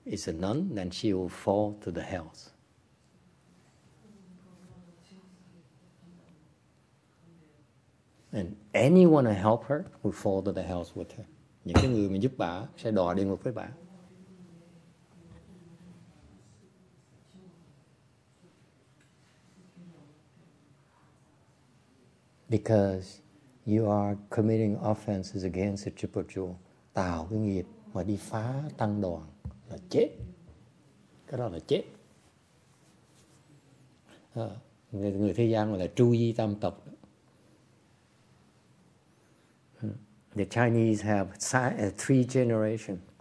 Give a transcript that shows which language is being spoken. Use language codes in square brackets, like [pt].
[en] It's a nun, then she will fall to the hells. And anyone who help her will fall to the hells with her. [vi] Những cái người mà giúp bà sẽ đọa địa ngục với bà. [en] Because you are committing offenses against the triple jewel. [vi] Tạo cái nghiệp mà đi phá tăng đoàn là chết. Cái đó là chết. Người thế gian gọi là tru di tam tộc. [en] The Chinese have three generations.